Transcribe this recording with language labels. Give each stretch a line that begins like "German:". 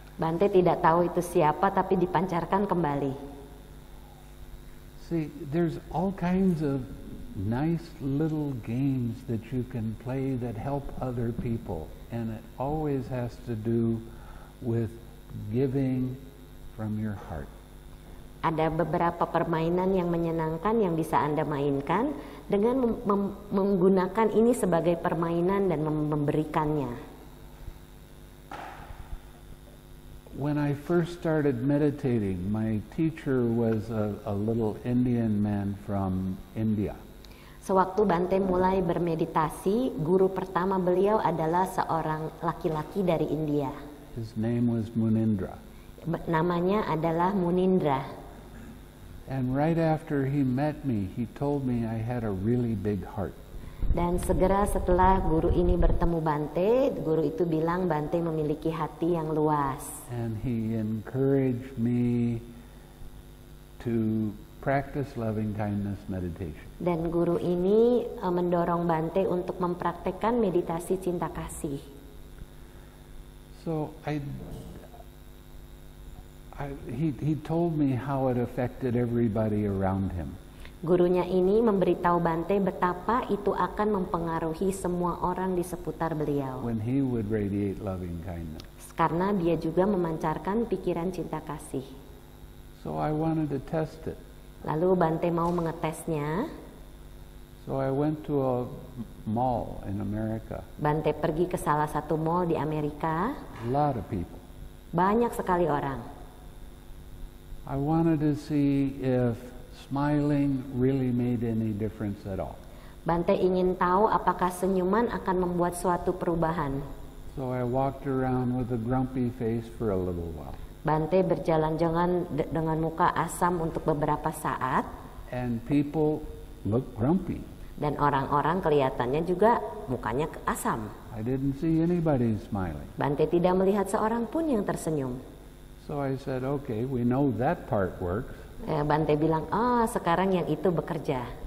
Indonesian: Bante tidak tahu itu siapa, tapi dipancarkan kembali.
English: See, there's all kinds of nice little games that you can play that help other people, and it always has to do with giving from your heart.
Indonesian: Ada beberapa permainan yang menyenangkan yang bisa Anda mainkan dengan menggunakan ini sebagai permainan dan memberikannya.
English: When I first started meditating, my teacher was a little Indian man from India.
Indonesian: Sewaktu Bante mulai bermeditasi, guru pertama beliau adalah seorang laki-laki dari India.
English: His name was Munindra.
Indonesian: Namanya adalah Munindra.
English: And right after he met me, he told me I had a really big heart.
Indonesian: Dan segera setelah guru ini bertemu Bante, guru itu bilang Bante memiliki hati yang luas.
English: And he encouraged me to practice loving kindness meditation.
Indonesian: Dan guru ini mendorong Bante untuk mempraktikkan meditasi cinta kasih.
English: So he told me how it affected everybody around him.
Indonesian: Gurunya ini memberitahu Bante betapa itu akan mempengaruhi semua orang di seputar beliau.
English: When he would radiate loving kindness.
Indonesian: Karena dia juga memancarkan pikiran cinta kasih.
English: So I wanted to test it.
Indonesian: Lalu Bante mau mengetesnya.
English: So I went to a mall in America.
Indonesian: Bante pergi ke salah satu mall di Amerika.
English: A lot of people.
Indonesian: Banyak sekali orang.
English: I wanted to see if smiling really made any difference at all.
Indonesian: Bante ingin tahu apakah senyuman akan membuat suatu perubahan.
English: So I walked around with a grumpy face for a little while.
Indonesian: Bante berjalan dengan muka asam untuk beberapa saat.
English: And people looked grumpy.
Indonesian: Dan orang-orang kelihatannya juga mukanya asam.
English: I didn't see anybody smiling.
Indonesian: Bante tidak melihat seorang pun yang tersenyum.
English: So I said, okay, we know that part works.
Indonesian: Bante bilang, oh sekarang yang itu bekerja.